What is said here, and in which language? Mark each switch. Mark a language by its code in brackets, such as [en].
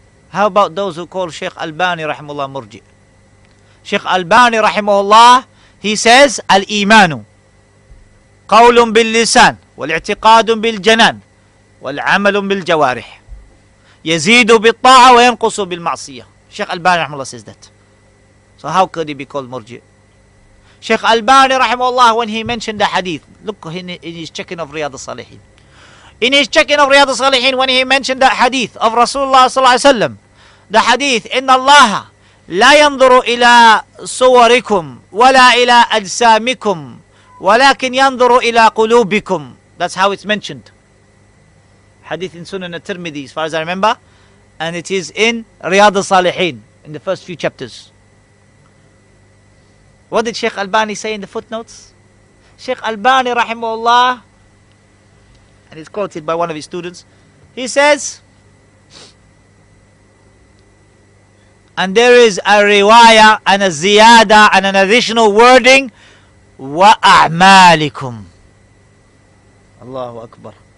[en] How about those who call [ar] Sheikh Albani رحمه الله مرجئ؟ Sheikh Albani رحمه الله, [en] he says [ar] الإيمان قول باللسان والاعتقاد بالجنان والعمل بالجوارح يزيد بالطاعة وينقص بالمعصية. [en] Sheikh Albani [ar] رحمه الله [en] says that. So how could he be called مرجئ؟ Sheikh Albani رحمه الله, when he mentioned the hadith, look in his checking of Riyad al-Salihin. In his checking of Riyad al-Salihin, when he mentioned that hadith of Rasulullah [ar] صلى الله عليه وسلم, [en] the hadith, [ar] إن الله لا ينظر إلى صوركم ولا إلى أجسامكم ولكن ينظر إلى قلوبكم. [en] That's how it's mentioned. Hadith in Sunan al-Tirmidhi, as far as I remember. And it is in Riyad al-Salihin, in the first few chapters. What did Sheikh Albani say in the footnotes? Sheikh Albani, rahimahullah, and it's quoted by one of his students, he says, and there is a riwaya and a ziyada and an additional wording, [ar] wa a'malikum. [en] Allahu Akbar.